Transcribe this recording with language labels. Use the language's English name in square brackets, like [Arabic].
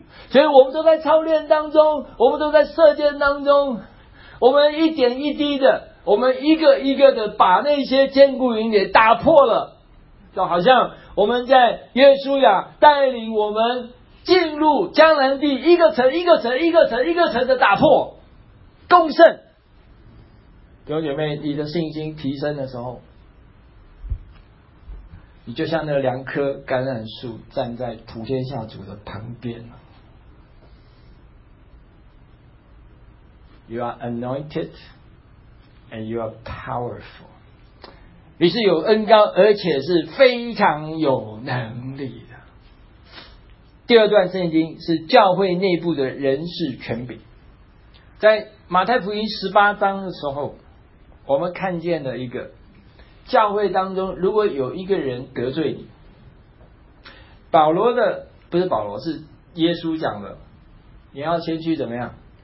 [Chinese] 所以我们都在操练当中，我们都在射箭当中，我们一点一滴的，我们一个一个的把那些坚固营给打破了，就好像我们在约书亚带领我们进入迦南地，一个城一个城一个城一个城的打破攻胜。弟兄姐妹，你的信心提升的时候，你就像那两棵橄榄树站在普天下主的旁边了。 [English] You are anointed and you are powerful. [Chinese] 你是有恩膏，而且是非常有能力的。第二段圣经是教会内部的人事权柄。在马太福音十八章的时候，我们看见了一个教会当中，如果有一个人得罪你，保罗的，不是保罗，是耶稣讲的，你要先去怎么样？